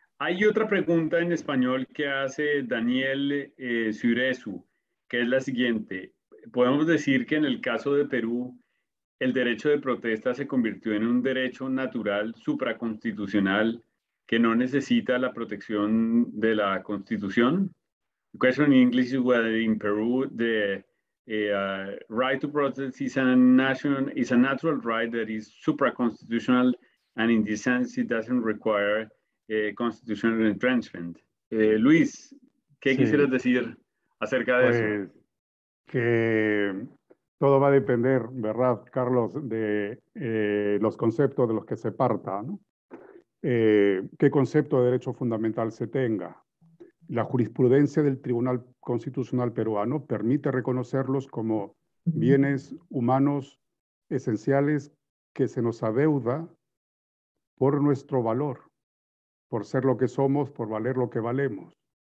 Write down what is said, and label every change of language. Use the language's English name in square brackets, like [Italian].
[Spanish] Hay otra pregunta en español que hace Daniel Suresu, que es la siguiente. ¿Podemos decir que en el caso de Perú, el derecho de protesta se convirtió en un derecho natural supraconstitucional que no necesita la protección de la Constitución? [English] The question in English is whether in Peru the right to protest is a natural right that is supraconstitutional, and in this sense it doesn't require constitutional entrenchment. [Spanish] Luis, ¿qué sí. quisieras decir acerca de pues, eso? Que todo va a depender, ¿verdad, Carlos, de los conceptos de los que se parta, ¿no? ¿Qué concepto de derecho fundamental se tenga? La jurisprudencia del Tribunal Constitucional peruano permite reconocerlos como bienes humanos esenciales que se nos adeuda por nuestro valor, por ser lo que somos, por valer lo que valemos.